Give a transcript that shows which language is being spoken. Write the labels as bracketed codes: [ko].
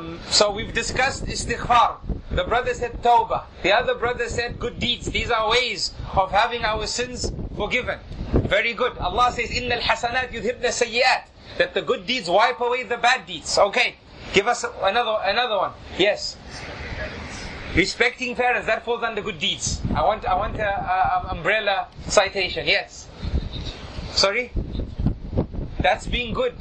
[en] So we've discussed istighfar. The brother said tawbah. The other brother said good deeds. These are ways of having our sins forgiven. Very good. Allah says, [ar] إِنَّ الْحَسَنَاتِ يُذْهِبْنَ السَّيِّئَاتِ. [en] That the good deeds wipe away the bad deeds. Okay. Give us another one. Yes. Respecting parents, that falls under good deeds. I want an umbrella citation. Yes. Sorry? That's being good.